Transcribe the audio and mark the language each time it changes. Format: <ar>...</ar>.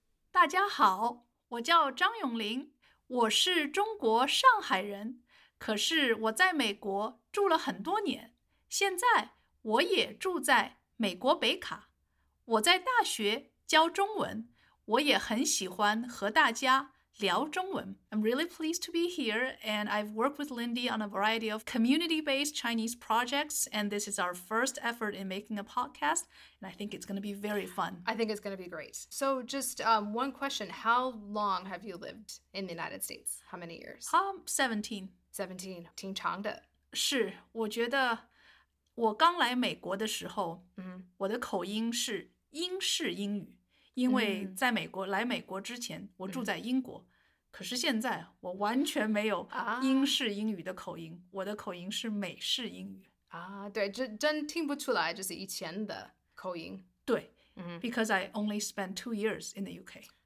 <zh>大家好,我叫张永林, 我是中国上海人, 可是我在美国住了很多年, 现在我也住在美国北卡, 我在大学教中文, 我也很喜欢和大家聊中文.</zh> <en>I'm really pleased to be here, and I've worked with Lindy on a variety of community-based Chinese projects, and this is our first effort in making a podcast, and I think it's going to be very fun. I think it's going to be great. So just one question, how long have you lived in the United States? How many years? 17.</en> <zh>挺长的. 是,我觉得我刚来美国的时候,我的口音是英式英语, 因为在美国,来美国之前,我住在英国, 可是现在我完全没有英式英语的口音, 我的口音是美式英语。对,真听不出来,就是以前的口音。</zh> <en>对, because I only spent 2 years in the UK.</en>